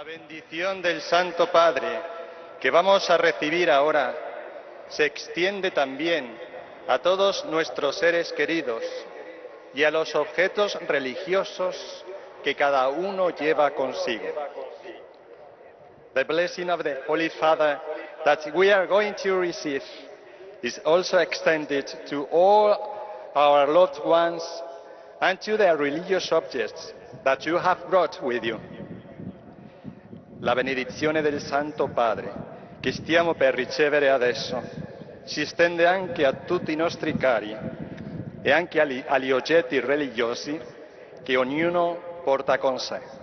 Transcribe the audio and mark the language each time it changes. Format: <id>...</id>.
<es>La bendición del Santo Padre que vamos a recibir ahora se extiende también a todos nuestros seres queridos y a los objetos religiosos que cada uno lleva consigo.</es> <en>The blessing of the Holy Father that we are going to receive is also extended to all our loved ones and to the religious objects that you have brought with you.</en> <it>La benedizione del Santo Padre che stiamo per ricevere adesso si estende anche a tutti i nostri cari e anche agli oggetti religiosi che ognuno porta con sé.</it>